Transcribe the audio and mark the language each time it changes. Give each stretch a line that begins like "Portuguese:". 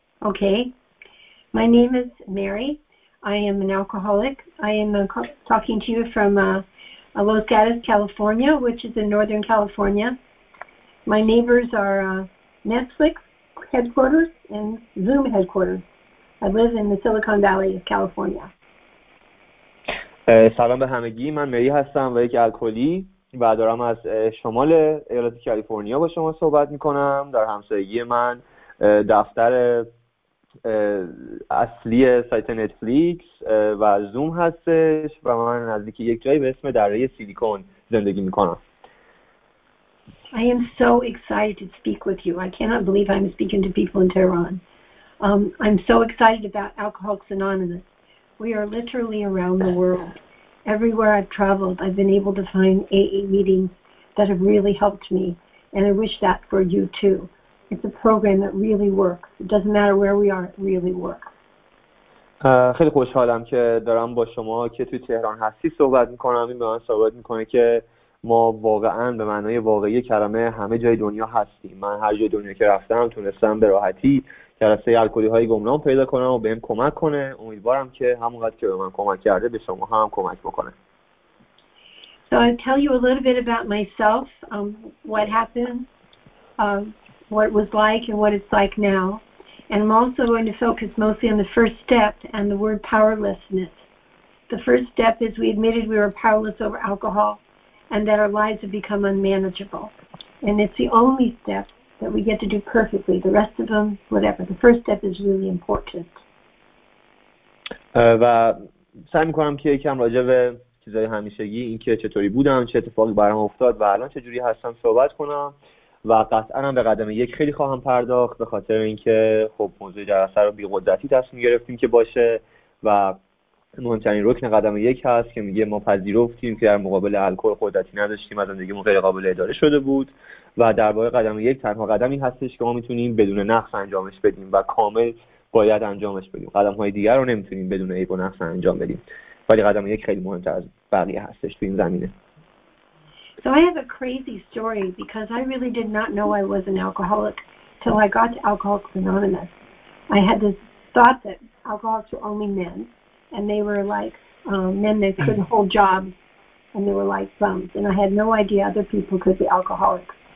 English: Okay. My name is Mary. I am an alcoholic. I am talking to you from Los Gatos, California, which is in Northern California. My neighbors are Netflix headquarters and Zoom headquarters. I live in the Silicon Valley of California.
Persian: سلام به همگی، من مری هستم و یک الکلی و دارم از شمال ایالت کالیفرنیا با شما صحبت میکنم. در همسایگی من دفتر اصلی سایت نتفلیکس و زوم هستش و من نزدیک یک جایی به اسم دره سیلیکون زندگی میکنم.
English: I am so excited to speak with you. I cannot believe I'm speaking to people in Tehran. I'm so excited about Alcoholics Anonymous. We are literally around the world. Everywhere I've traveled, I've been able to find AA meetings that have really helped me, and I wish that for you too. It's a program that really works. It doesn't matter where we are, it really works.
Persian: خیلی خوشحالم که دارم با شما که توی تهران هستی صحبت میکنم. این به من ثابت میکنه که ما واقعا به معنای واقعی کلمه همه جای دنیا هستیم. من هر جای دنیا که رفتم تونستم به راحتی جلسه الکلی های گمنام پیدا کنم و بهم کمک کنه. امیدوارم که همونقدر که به من کمک کرده به شما هم کمک بکنه.
English: So I'll tell you a little bit about myself, what happened, what it was like and what it's like now. And I'm also going to focus mostly on the first step and the word powerlessness. The first step is we admitted we were powerless over alcohol and that our lives have become unmanageable. And it's the only step that we get to do perfectly. The rest of them, whatever. The first step is really important.
Persian: و سعی میکنم که یکم راجع به چیزهای همیشگی، این که چطوری بودم، چه اتفاقی برام افتاد و الان چجوری هستم صحبت کنم. و قطعاً به قدم یک خیلی خواهم پرداخت به خاطر اینکه خب موضوع جلسه رو بی قدرتی تصمیم گرفتیم که باشه و مهمترین رکن قدم یک هست که میگه ما پذیرفتیم که در مقابل الکل قدرتی نداشتیم و زندگیمون غیر قابل اداره شده بود و درباره قدم یک تنها قدمی هستش که ما میتونیم بدون نقص انجامش بدیم و کامل باید انجامش بدیم. قدم‌های دیگر رو نمیتونیم بدون عیب و نقص انجام بدیم، ولی قدم یک خیلی مهمتر از بقیه هستش تو این زمینه.
English: So I have a crazy story because I really did not know I was an alcoholic till I got to Alcoholics Anonymous. I had this thought that alcoholics were only men, and they were like men that couldn't hold jobs, and they were like bums, and I had no idea other people could be alcoholics.